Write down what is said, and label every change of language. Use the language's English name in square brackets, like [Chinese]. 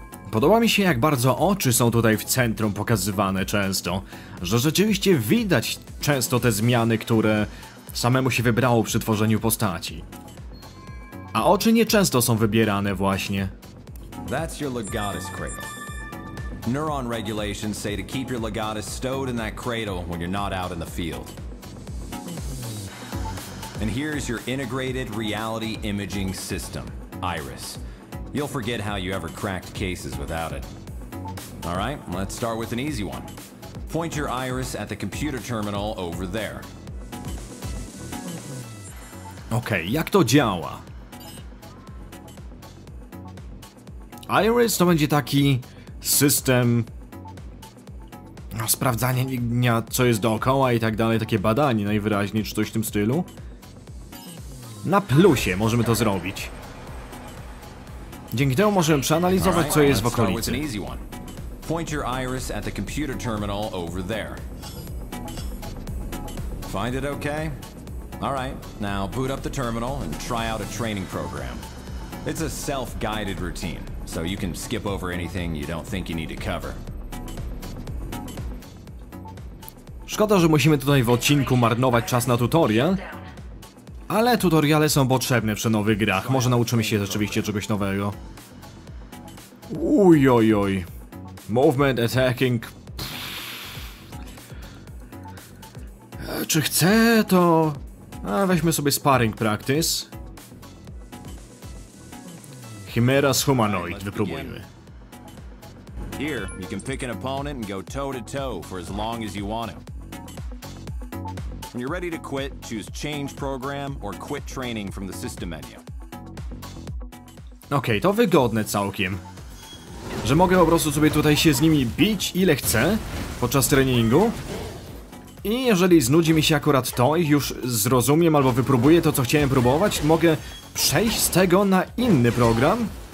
[Polish] Podoba mi się, jak bardzo oczy są tutaj w centrum pokazywane często, że rzeczywiście widać często te zmiany, które samemu się wybrało przy tworzeniu postaci. A oczy nie często są wybierane właśnie. [English] That's your Legatus cradle. Neuron regulations say to keep your Legatus stowed in that cradle when you're not out in the field. And here's your integrated reality imaging system. Iris. You'll forget how you ever cracked cases without it. All right, let's start with an easy one. Point your iris at the computer terminal over there. [Polish] Okej, jak to działa? Iris to będzie taki system sprawdzania, co jest dookoła i tak dalej, takie badanie najwyraźniej, czy coś w tym stylu. Na plusie możemy to zrobić. Dzięki temu możemy przeanalizować, co jest w okolicy. [English] Point your iris at the computer terminal over there. Find it okay? All right. Now boot up the terminal and try out a training program. It's a self-guided routine, so you can skip over anything you don't think you need to cover. [Polish] Szkoda, że musimy tutaj w odcinku marnować czas na tutorial. Ale tutoriale są potrzebne przy nowych grach. Może nauczymy się rzeczywiście czegoś nowego. [English] Ujojoj. Movement, attacking. [Polish] Czy chcę to... A, weźmy sobie sparring practice. Chimera z humanoid. Wypróbujmy. [English] Here, you can pick an opponent and go toe-to-toe for as long as you want to. When you're ready to quit, choose change program or quit training from the system menu. [Polish] Okej, to wygodne całkiem. Że mogę po prostu sobie tutaj się z nimi bić ile chcę podczas treningu. I jeżeli znudzi mi się akurat to i już zrozumiem albo wypróbuję to, co chciałem próbować, mogę przejść z tego na inny program.